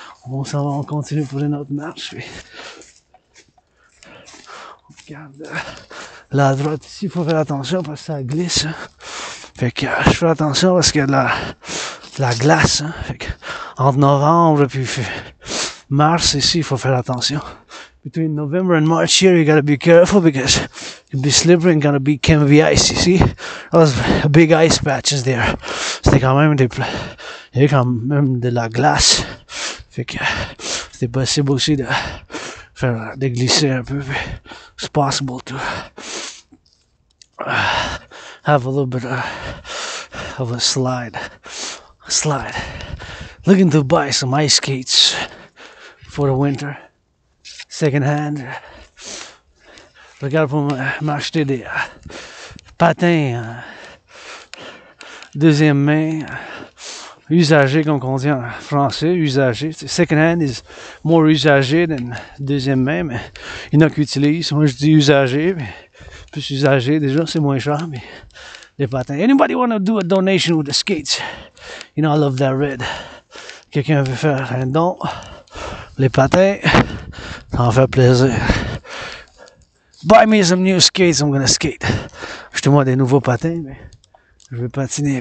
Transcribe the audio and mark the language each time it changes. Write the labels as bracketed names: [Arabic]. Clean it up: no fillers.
[French] On s'en va, on continue pour une autre marche. Puis. On regarde la droite ici. Il faut faire attention parce que ça glisse. Hein. Fait que je fais attention parce qu'il y a de la glace. Hein. Fait que entre novembre puis. Mars ici, faut faire attention. [English] Between November and March here, you gotta be careful because it'd be slippery and gonna be can be ice, you see? Those big ice patches there. [French] C'est quand même des, quand même de la glace. Fait que, c'est possible aussi de faire déglisser un peu. [English] It's possible to have a little bit of a slide. Looking to buy some ice skates for the winter, second hand. [French] Regarde pour m'acheter des patins deuxième main, usagés comme on dit en français, usagés. [English] Second hand is more usagé than [French] deuxième main, mais il y en a qui utilisent. Moi je dis usagé, mais plus usagé déjà c'est moins cher, mais les patins. [English] Anybody want to do a donation with the skates? You know I love that red. [French] Quelqu'un veut faire un don, les patins, ça en fait plaisir. [English] Buy me some new skates, I'm gonna skate. [French] Achetez-moi des nouveaux patins, mais je vais patiner.